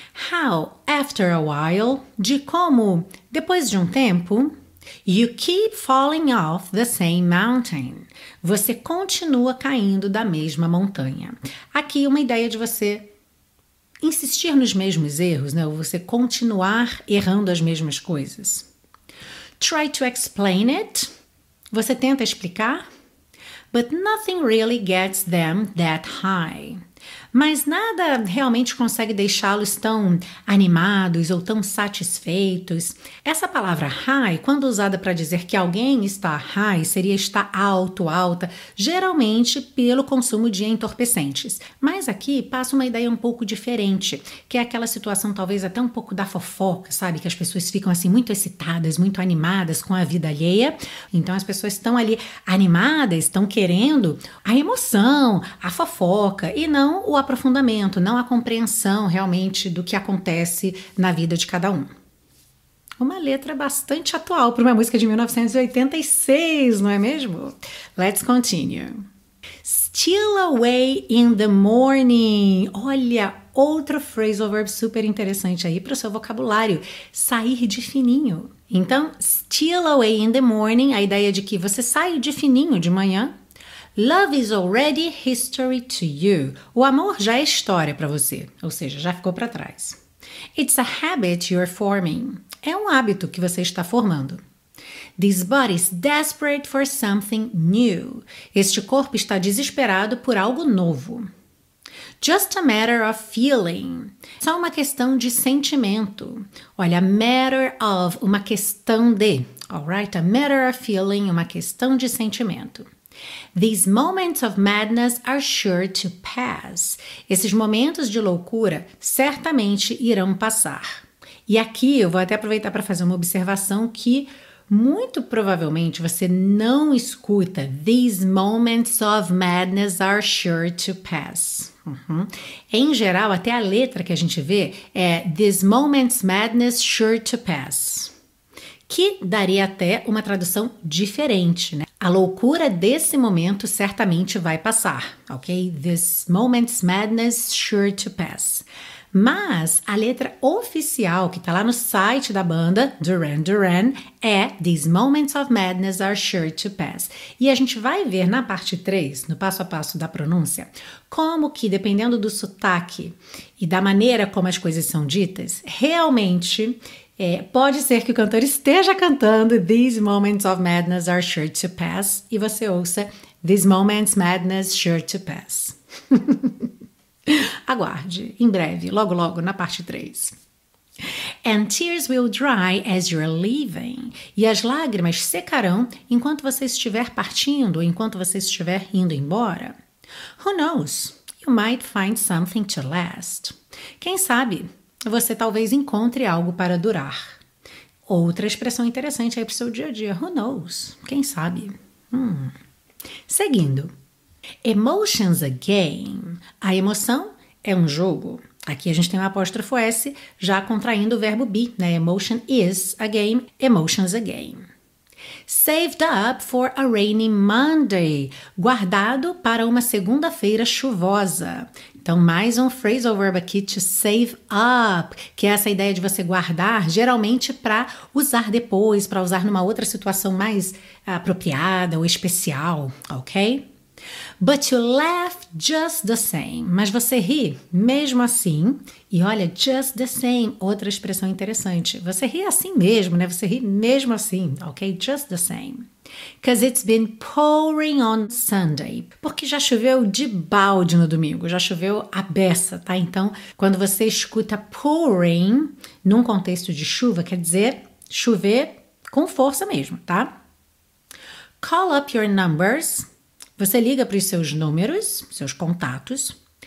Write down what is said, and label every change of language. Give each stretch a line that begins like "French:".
English: How, after a while,
Portuguese: de como, depois de um tempo,
English: you keep falling off the same mountain.
Portuguese: Você continua caindo da mesma montanha. Aqui uma ideia de você insistir nos mesmos erros, né? Ou você continuar errando as mesmas coisas.
English: Try to explain it.
Portuguese: Você tenta explicar.
English: But nothing really gets them that high.
Portuguese: Mas nada realmente consegue deixá-los tão animados ou tão satisfeitos. Essa palavra high, quando usada para dizer que alguém está high, seria estar alto, alta, geralmente pelo consumo de entorpecentes. Mas aqui passa uma ideia um pouco diferente, que é aquela situação talvez até um pouco da fofoca, sabe? Que as pessoas ficam assim muito excitadas, muito animadas com a vida alheia. Então as pessoas estão ali animadas, estão querendo a emoção, a fofoca, e não o aprofundamento, não a compreensão realmente do que acontece na vida de cada um. Uma letra bastante atual para uma música de 1986, não é mesmo?
English: Let's continue. Steal away in the morning.
Portuguese: Olha, outro phrasal verb super interessante aí para o seu vocabulário. Sair de fininho. Então,
English: steal away in the morning,
Portuguese: a ideia de que você sai de fininho de manhã.
English: Love is already history to you.
Portuguese: O amor já é história para você, ou seja, já ficou para trás.
English: It's a habit you're forming.
Portuguese: É um hábito que você está formando.
English: This body's desperate for something new.
Portuguese: Este corpo está desesperado por algo novo.
English: Just a matter of feeling.
Portuguese: Só uma questão de sentimento. Olha,
English: matter of,
Portuguese: uma questão de.
English: All right, a matter of feeling,
Portuguese: uma questão de sentimento.
English: These moments of madness are sure to pass.
Portuguese: Esses momentos de loucura certamente irão passar. E aqui eu vou até aproveitar para fazer uma observação que muito provavelmente você não escuta.
English: These moments of madness are sure to pass. Uhum.
Portuguese: Em geral, até a letra que a gente vê é
English: these moments madness sure to pass.
Portuguese: Que daria até uma tradução diferente, né? A loucura desse momento certamente vai passar, ok?
English: This moment's madness sure to pass.
Portuguese: Mas a letra oficial que está lá no site da banda, Duran Duran, é
English: These moments of madness are sure to pass.
Portuguese: E a gente vai ver na parte 3, no passo a passo da pronúncia, como que dependendo do sotaque e da maneira como as coisas são ditas, realmente... pode ser que o cantor esteja cantando
English: These moments of madness are sure to pass
Portuguese: e você ouça
English: These moments madness sure to pass.
Portuguese: Aguarde, em breve, logo logo na parte 3.
English: And tears will dry as you're leaving.
Portuguese: E as lágrimas secarão enquanto você estiver partindo, enquanto você estiver indo embora.
English: Who knows? You might find something to last.
Portuguese: Quem sabe? Você talvez encontre algo para durar. Outra expressão interessante aí para o seu dia a dia.
English: Who knows?
Portuguese: Quem sabe? Seguindo.
English: Emotion's a game.
Portuguese: A emoção é um jogo. Aqui a gente tem um apóstrofo S, já contraindo o verbo be, né?
English: Emotion is a game, emotions a game. Saved up for a rainy Monday.
Portuguese: Guardado para uma segunda-feira chuvosa. Então, mais um phrasal verb aqui,
English: to save up,
Portuguese: que é essa ideia de você guardar, geralmente para usar depois, para usar numa outra situação mais apropriada ou especial, ok?
English: But you laugh just the same.
Portuguese: Mas você ri mesmo assim. E olha,
English: just the same,
Portuguese: outra expressão interessante. Você ri assim mesmo, né? Você ri mesmo assim, ok?
English: Just the same. Because it's been pouring on Sunday.
Portuguese: Porque já choveu de balde no domingo, já choveu a beça, tá? Então, quando você escuta pouring num contexto de chuva, quer dizer chover com força mesmo, tá?
English: Call up your numbers.
Portuguese: Você liga para os seus números, seus contatos.